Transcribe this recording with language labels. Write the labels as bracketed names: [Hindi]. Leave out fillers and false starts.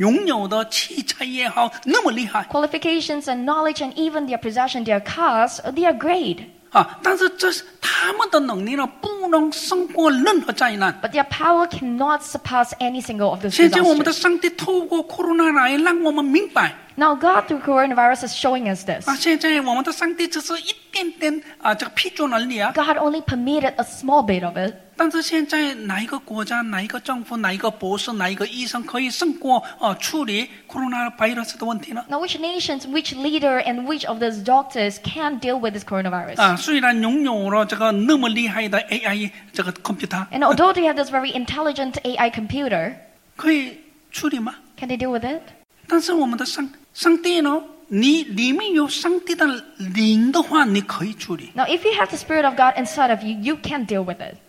[Chinese] 他们的文凭也好，他们的知识也好，他们所拥有的器材也好，那么厉害。 [English] Qualifications and knowledge and even their possession, their cars, they are great. [Chinese] 但是他们的能力呢，不能胜过任何灾难。 [English] But their power cannot surpass any single of those disasters. [Chinese] 现在我们的上帝透过corona来让我们明白。 [English] Now God through coronavirus is showing us this. [Chinese] 现在我们的上帝只是一点点这个批准而已啊。 [English] God only permitted a small bit of it. [Chinese] 但是现在哪一个国家、哪一个政府、哪一个博士、哪一个医生可以胜过处理corona virus的问题呢？ [English] Now which nations, which leader, and which of those doctors can deal with this coronavirus? [Chinese] 虽然拥有了这个那么厉害的AI 这个 computer, [English] and although they have this very intelligent AI computer, [Chinese] 可以处理吗？ [English] Can they deal with it? [Chinese] 但是我们的上帝呢？你里面有上帝的灵的话，你可以处理。 [English] Now if you have the spirit of God inside of you, you can deal with it.